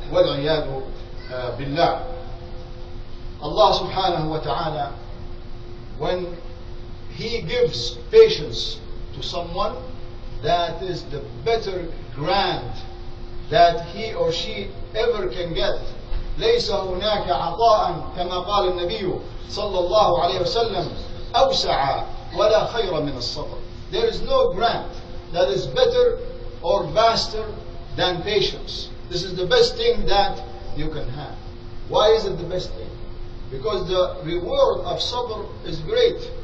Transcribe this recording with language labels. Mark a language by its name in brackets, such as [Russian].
[Arabic] وَالْعِيَادُ بِاللَّهِ. [English] Allah subhanahu wa ta'ala, when he gives patience to someone, that is the better grant that he or she ever can get. [Arabic] ليس هناك عطاء كما قال النبي صلى الله عليه وسلم أوسع ولا خير من الصبر. [English] There is no grant that is better or vaster than patience. This is the best thing that you can have. Why is it the best thing? Because the reward of sabr is great.